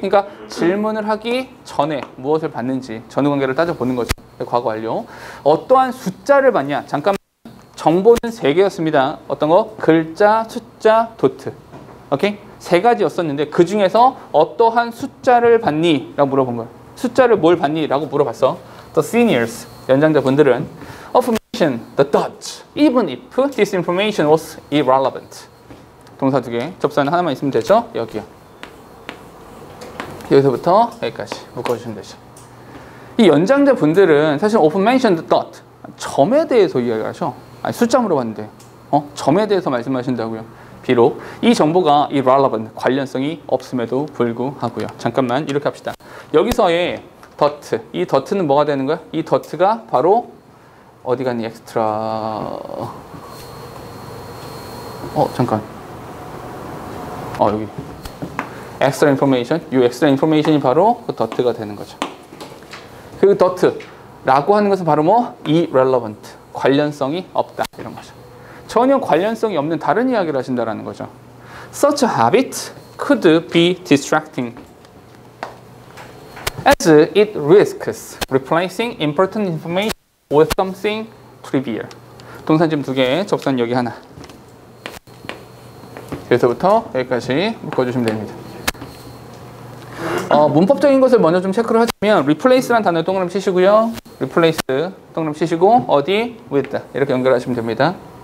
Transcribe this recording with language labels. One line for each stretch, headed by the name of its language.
Korean: 그러니까 질문을 하기 전에 무엇을 받는지 전후관계를 따져보는 거죠. 과거 완료. 어떠한 숫자를 받냐? 잠깐만. 정보는 세 개였습니다. 어떤 거? 글자, 숫자, 도트. 오케이? 세 가지였었는데 그 중에서 어떠한 숫자를 받니? 라고 물어본 거야. 숫자를 뭘 받니? 라고 물어봤어.
English: The seniors,
Korean: 연장자분들은
English: information, the dots, even if this information was irrelevant.
Korean: 동사 두 개. 접사는 하나만 있으면 되죠? 여기요. 여기서부터 여기까지 묶어주시면 되죠. 이 연장자 분들은 사실
English: often mentioned dot.
Korean: 점에 대해서 이야기하셔. 아니, 숫자 물어봤는데. 점에 대해서 말씀하신다고요. 비록 이 정보가 irrelevant, 관련성이 없음에도 불구하고요. 잠깐만, 이렇게 합시다. 여기서의 dot. 이 dot는 뭐가 되는 거야? 이 dot가 바로 어디 갔니? 엑스트라. 잠깐. 여기 extra information, 이 extra information이 바로 그 dot가 되는 거죠. 그 dot라고 하는 것은 바로 뭐? irrelevant, 관련성이 없다 이런 거죠. 전혀 관련성이 없는 다른 이야기를 하신다라는 거죠.
English: Such a habit could be distracting as it risks replacing important information with something trivial.
Korean: 동산 지문 두 개, 접선 여기 하나. 여기서부터 여기까지 묶어주시면 됩니다. 문법적인 것을 먼저 좀 체크를 하자면 replace란 단어 동그라미 치시고요. replace 동그라미 치시고 어디 with 이렇게 연결하시면 됩니다.